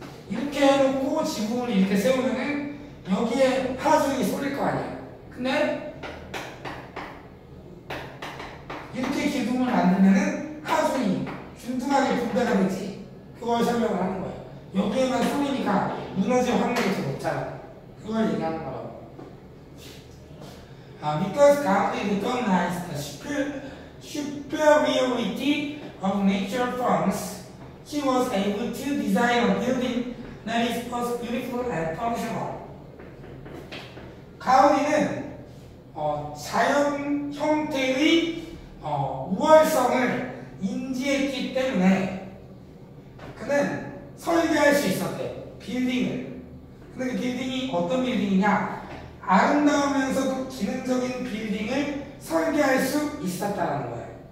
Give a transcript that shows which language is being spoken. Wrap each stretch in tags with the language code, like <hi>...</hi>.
<ko>이렇게 해놓고 지붕을 이렇게 세우면은 여기에 파주이 쏠릴 거 아니야. 근데 이렇게 기둥을 만들면은 파주이 균등하게 분배가 되지. 그걸 설명을 하는 거야. 여기에만 쏠리니까 무너질 확률이 더 높잖아. 그걸 얘기하는 거라고.</ko> <en>Because Gaudi recognized the superiority of nature forms, he was able to design a building that is both beautiful and functional.</en> <ko>가우디는 자연 형태의 우월성을 인지했기 때문에 그는 설계할 수 있었대. 빌딩을. 근데 그 빌딩이 어떤 빌딩이냐? 아름다우면서도 기능적인 빌딩을 설계할 수 있었다라는 거예요.</ko>